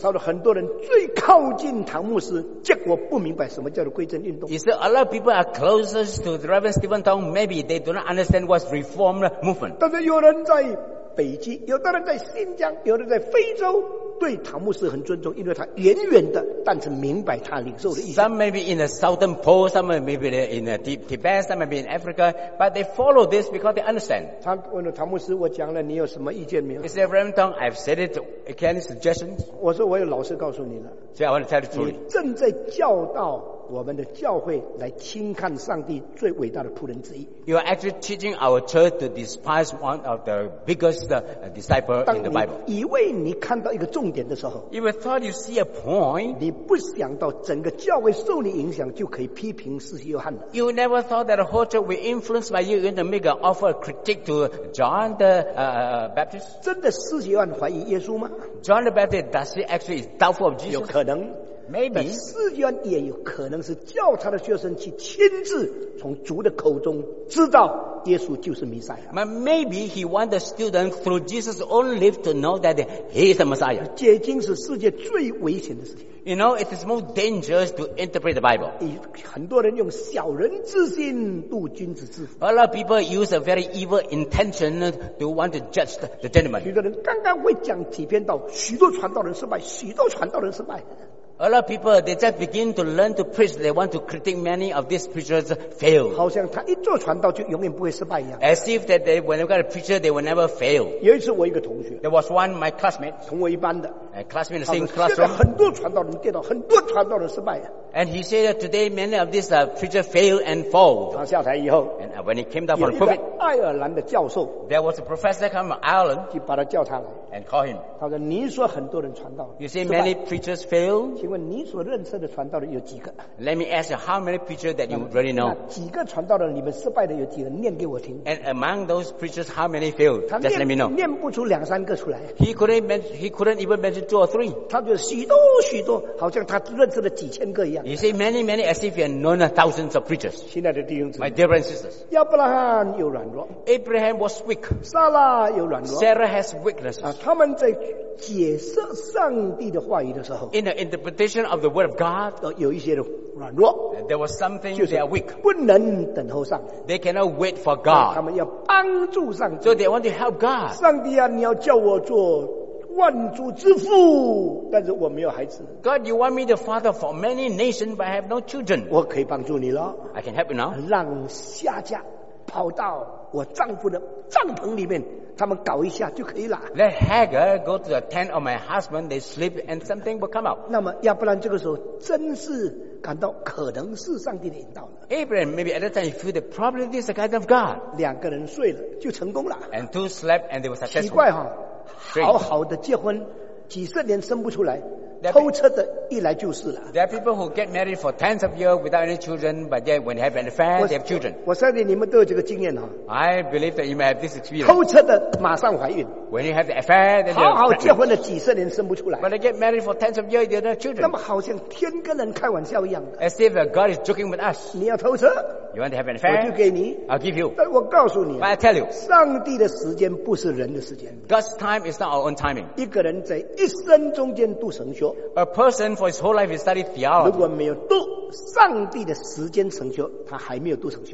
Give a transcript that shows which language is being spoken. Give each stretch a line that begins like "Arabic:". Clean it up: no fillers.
Chinese: 他说很多人最靠近唐牧师，结果不明白什么叫做归正运动。
English: He said a lot of people are closest to the Reverend Stephen Tong, maybe they do not understand what's reform movement.
Chinese: 但是有人在北极，有的人在新疆，有的人在非洲。对唐牧师很尊重，因为他远远的，但是明白他领受的意思。
English: Some may be in the southern pole, some may be in the Tibet, some may be in Africa, but they follow this because they understand.
Chinese: 他问了唐牧师：“我讲了，你有什么意见没有？”
English: He said, "Reverend Tong, I've said it. Any suggestions?"
Chinese: 我说：“我有老实告诉你了。”
English: So I want to tell the truth.
Chinese: 你正在教导我们的教会来轻看上帝最伟大的仆人之一。
English: You are actually teaching our church to despise one of the biggest disciples in the Bible.
Chinese: 以为你看到一个重点的时候
English: ，You thought you see a point.
Chinese: 你不想到整个教会受你影响就可以批评施洗约翰了。
English: You never thought that the whole church will be influenced by you and make an offer critique to John the Baptist.
Chinese: 真的施洗约翰怀疑耶稣吗
English: ？John the Baptist does he actually doubt of Jesus?
Chinese: 有可能。
English: Maybe
Chinese: 施洗约翰也有可能是叫他的学生去亲自从主的口中知道耶稣就是弥赛亚。
English: Maybe he want the student through Jesus' own lips to know that he is the Messiah.
Chinese: 解经是世界最危险的事情。
English: You know, it is more dangerous to interpret the Bible.
Chinese: 很多人用小人之心度君子之腹。
English: A lot of people use a very evil intention to want to judge the gentleman.
Chinese: 许多人刚刚会讲几篇道，许多传道人失败，许多传道人失败。
English: A lot of people, they just begin to learn to preach. They want to critique many of these preachers fail.
Chinese: 好像他一做传道就永远不会失败一样。
English: As if that they, when they got a preacher, they will never fail.
Chinese: 有一次我一个同学。
English: There was one, my classmate.
Chinese: 同我一班的。
English: A classmate in the same classroom.
Chinese: 现在很多传道人跌倒，很多传道人失败。
English: And he said that today many of these preachers fail and fall.
Chinese: 他下台以后。
English: And when he came down from the pulpit.
Chinese: 有一个爱尔兰的教授。
English: There was a professor come from Ireland.
Chinese: 就把他叫他来。
English: And call him.
Chinese: 他说你说很多人传道。
English: You say many preachers fail.
Chinese: 请问你所认识的传道人有几个？
English: Let me ask you how many preachers that you really know.
Chinese: 几个传道人你们失败的有几个？念给我听。
English: And among those preachers, how many failed? Just let me know.
Chinese: 念不出两三个出来。
English: He couldn't even mention two or three.
Chinese: 他就许多许多，好像他认识了几千个一样。
English: You say many, many as if you have known thousands of preachers.
Chinese: 亲爱的弟兄姊妹。
English: My dear brothers and sisters.
Chinese: 亚伯拉罕有软弱。
English: Abraham was weak.
Chinese: Sarah 有软弱。
English: Sarah has weakness.
Chinese: 啊，他们在解释上帝的话语的时候
English: ，in the interpretation of the word of God，
Chinese: 有一些的软弱。
English: There was something they are weak.
Chinese: 不能等候上帝。
English: They cannot wait for God.
Chinese: 他们要帮助上帝。
English: So they want to help God.
Chinese: 上帝啊，你要叫我做万族之父，但是我没有孩子。
English: God, you want me the father for many nations, but I have no children.
Chinese: 我可以帮助你了。
English: I can help you now.
Chinese: 让夏甲跑到我丈夫的帐篷里面，他们搞一下就可以了。
English: Let Hagar go to the tent of my husband. They sleep, and something will come out.
Chinese: 那么，要不然这个时候真是感到可能是上帝的引导了。
English: Abraham, maybe at that time you feel the probably this is the guidance of God.
Chinese: 两个人睡了就成功了。
English: And two slept and they were successful.
Chinese: 奇怪哈。好好的结婚几十年生不出来，偷车的一来就是了。
English: There are people who get married for tens of years without any children, but then when they have an affair, they have children.
Chinese: 我相信你们都有这个经验哈。
English: I believe that you may have this experience.
Chinese: 偷车的马上怀孕。
English: When you have the affair, then they're pregnant.
Chinese: 好好结婚的几十年生不出来。
English: When they get married for tens of years, they don't have children.
Chinese: 那么好像天跟人开玩笑一样的。
English: As if God is joking with us.
Chinese: 你要偷车。
English: You want to have an affair?
Chinese: 我就给你。
English: I'll give you.
Chinese: 但我告诉你。
English: But I tell you.
Chinese: 上帝的时间不是人的时间。
English: God's time is not our own timing.
Chinese: 一个人在一生中间读神学。
English: A person for his whole life is studying theology.
Chinese: 如果没有读上帝的时间成就，他还没有读成就。